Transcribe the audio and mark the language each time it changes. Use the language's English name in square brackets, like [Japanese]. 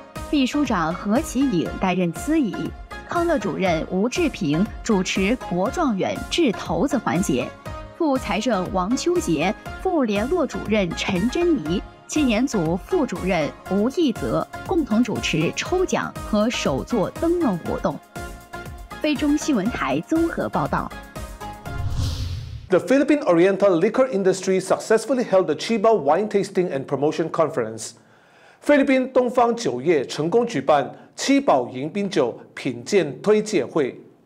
[Chinese] 秘书长何其颖担任司仪，康乐主任吴志平主持博状元掷骰子环节，副财政王秋杰、副联络主任陈珍妮、青年组副主任吴义泽共同主持抽奖和手作灯笼活动。非中新闻台综合报道。 [English] The Philippine Oriental Liquor Industry successfully held the Chiba Wine Tasting and Promotion Conference. [Chinese] 菲律宾东方酒业成功举办七宝迎宾酒品鉴推介会。